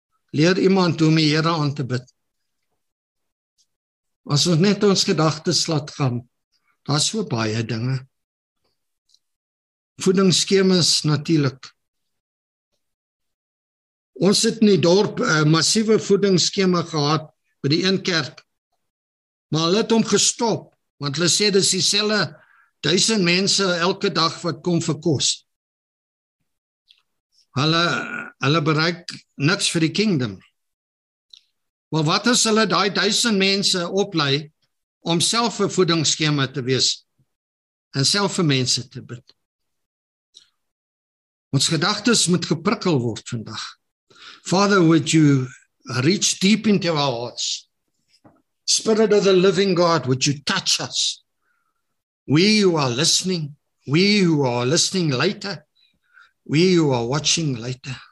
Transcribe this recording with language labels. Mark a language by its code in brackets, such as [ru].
[af] Leer iemand hoe om die Here aan te bid. As ons net ons gedagtes laat gaan, daar is so baie dinge. Voedingsskemas natuurlik. Ons het in die dorp 'n massiewe voedingsskema gehad by die een kerk. Maar hulle het hom gestop, want hulle sê dis dieselfde 1000 mense elke dag wat kom vir kos. Hulle bereik niks vir die kingdom. Maar wat as hulle daai 1000 mense oplei om self 'n voedingsskema te wees en self vir mense te bid? Ons gedagtes moet geprikkel word vandag. [en] Father, would you reach deep into our hearts? Spirit of the living God, would you touch us? We who are listening, we who are listening later, we who are watching later.